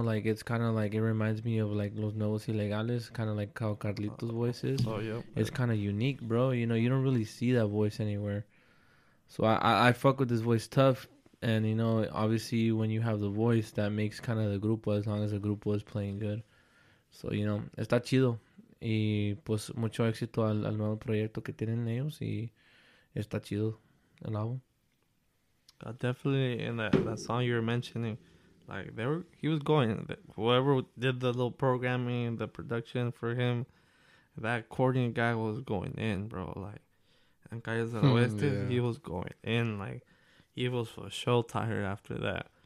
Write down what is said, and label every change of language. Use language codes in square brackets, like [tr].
[en] Like, it's kind of like, it reminds me of, like, Los Nuevos Ilegales, kind of like how Carlitos' voice is. Oh, yeah. It's kind of unique, bro. You know, you don't really see that voice anywhere. So I fuck with his voice tough. And, you know, obviously when you have the voice, that makes kind of the grupo, as long as the grupo is playing good. So, you know, [es] está chido. Y pues mucho éxito al nuevo proyecto que tienen ellos y está chido el álbum. [en] Definitely in that song you were mentioning, like whoever did the little programming, the production for him, that accordion guy was going in, bro. Like, and Calles del Oeste, yeah. He was going in, like, he was for sure tired after that.